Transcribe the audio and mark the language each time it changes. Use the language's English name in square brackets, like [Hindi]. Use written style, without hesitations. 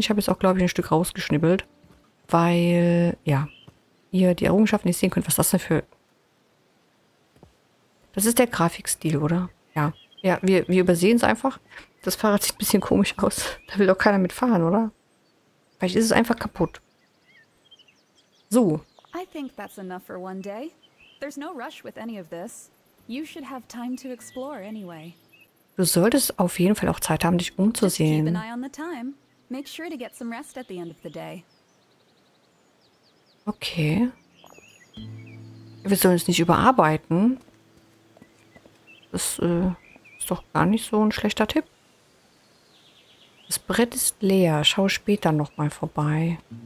[German] Ich habe jetzt auch, glaube ich, ein Stück rausgeschnibbelt. Weil, ja, ihr die Errungenschaft nicht sehen könnt. Was ist das denn für... Das ist der Grafikstil, oder? Ja. Ja, wir übersehen es einfach. Das Fahrrad sieht ein bisschen komisch aus. Da will doch keiner mit fahren, oder? Vielleicht ist es einfach kaputt. So. [English] I think that's enough for one day. There's no rush with any of this. You should have time to explore anyway. [German] Du solltest auf jeden Fall auch Zeit haben, dich umzusehen. [English] Just keep an eye on the time. Make sure to get some rest at the end of the day. Okay. [German] Wir sollen es nicht überarbeiten. Das ist doch gar nicht so ein schlechter Tipp. Das Brett ist leer. Schau später nochmal vorbei.